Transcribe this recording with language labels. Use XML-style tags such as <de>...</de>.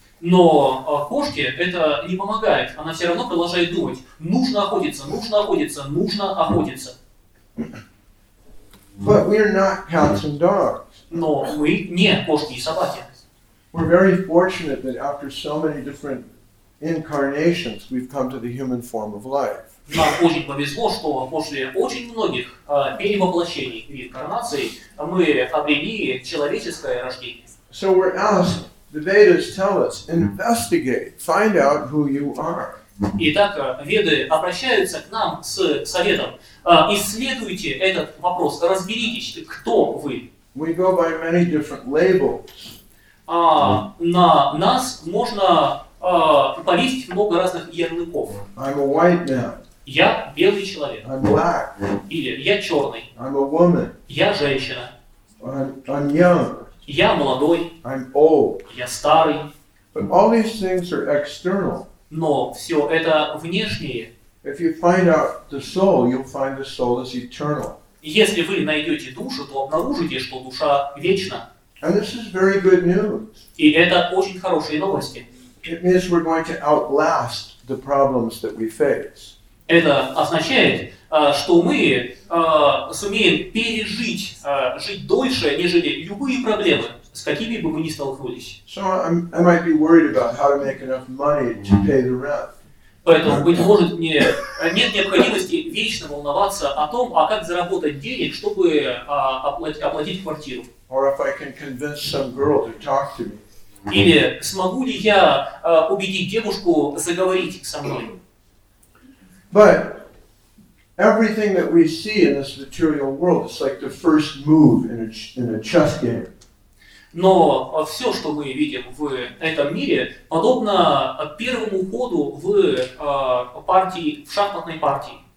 <ru>Но кошке это не помогает. Она все равно продолжает думать, нужно охотиться, нужно охотиться, нужно охотиться.</ru> <en>But we're not cats and dogs.</en> <ru>Но мы не кошки и собаки.</ru> <en>We're very fortunate that after so many different incarnations, we've come to the human form of life.</en> <ru>Нам очень повезло, что после очень многих перевоплощений и реинкарнаций мы обрели человеческое рождение.</ru> <en>So we're asked, the Vedas tell us, investigate, find out who you are.</en> <ru>Итак, Веды обращаются к нам с советом. Исследуйте этот вопрос, разберитесь, кто вы.</ru> <en>We go by many different labels.</en> <ru>На нас можно повесить много разных ярлыков.</ru> <en>I'm a white man.</en> <ru>Я белый человек.</ru> <en>I'm black.</en> <ru>Или я черный.</ru> <en>I'm a woman.</en> <ru>Я женщина.</ru> <en>I'm young.</en> <ru>Я молодой.</ru> <en>I'm old.</en> <ru>Я старый.</ru> <en>But all these things are external.</en> <ru>Но все это внешнее.</ru> <en>If you find out the soul, you'll find the soul is eternal.</en> <ru>Если вы найдете душу, то обнаружите, что душа вечна.</ru> <en>And this is very good news.</en> <ru>И это очень хорошие новости.</ru> <en>It means we're going to outlast the problems that we face.</en> <ru>Это означает, что мы сумеем пережить, жить дольше, нежели любые проблемы, с какими бы мы ни столкнулись.</ru> <en>So I might be worried about how to make enough money to pay the rent.</en> <ru>Поэтому, быть может, нет необходимости вечно волноваться о том, а как заработать денег, чтобы оплатить квартиру.</ru> <en>Or if I can convince some girl to talk to me.</en> <ru>Или смогу ли я убедить девушку заговорить со мной?</ru> <en>But everything that we see in this material world is like the first move in a chess game.</en> <ru>Но все, что мы видим в этом мире, подобно первому ходу в партии, в шахматной партии.</ru>